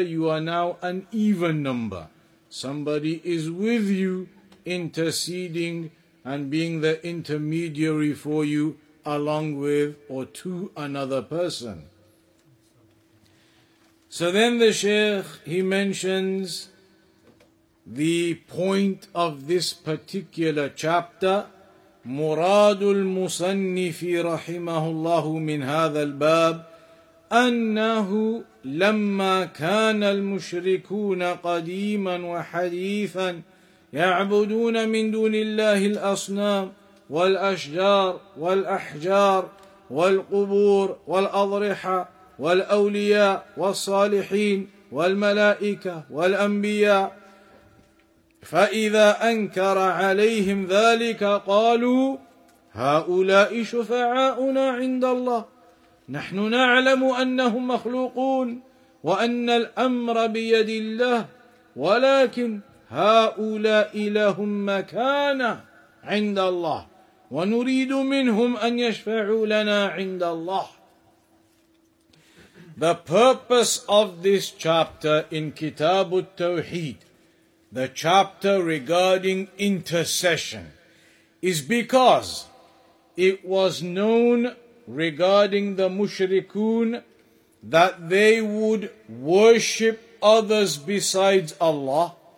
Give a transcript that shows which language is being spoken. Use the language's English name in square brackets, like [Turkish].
[English] You are now an even number. Somebody is with you interceding and being the intermediary for you along with or to another person. So then the Shaykh, he mentions the point of this particular chapter. [Arabic] مراد المصنف رحمه الله من هذا الباب أنه لما كان المشركون قديما وحديثا يعبدون من دون الله الأصنام والأشجار والأحجار والقبور والأضرحة والأولياء والصالحين والملائكة والأنبياء فإذا أنكر عليهم ذلك قالوا هؤلاء شفعاؤنا عند الله نحن نعلم أنهم مخلوقون وأن الأمر بيد الله ولكن هؤلاء لهم مكانة عند الله ونريد منهم أن يشفعوا لنا عند الله. [English] The purpose of this chapter in Kitab al-Tawheed, the chapter regarding intercession, is because it was known regarding the mushrikun that they would worship others besides Allah.